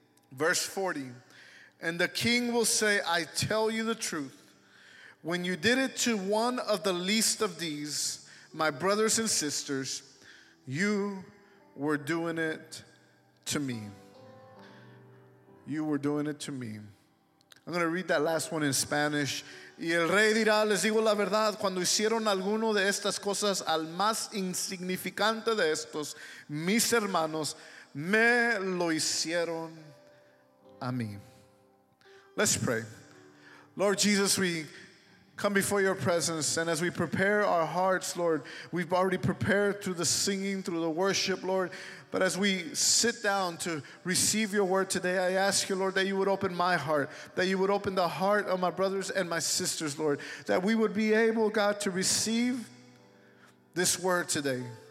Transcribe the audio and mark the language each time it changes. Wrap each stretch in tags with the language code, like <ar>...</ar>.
<en>Verse 40, and the king will say, I tell you the truth. When you did it to one of the least of these, my brothers and sisters, you were doing it to me. You were doing it to me. I'm going to read that last one in Spanish.</en> <es>Y el rey dirá, les digo la verdad, cuando hicieron alguno de estas cosas al más insignificante de estos, mis hermanos, me lo hicieron a mí.</es> <en>Let's pray. Lord Jesus, we come before your presence, and as we prepare our hearts, Lord, we've already prepared through the singing, through the worship, Lord, but as we sit down to receive your word today, I ask you, Lord, that you would open my heart, that you would open the heart of my brothers and my sisters, Lord, that we would be able, God, to receive this word today.</en>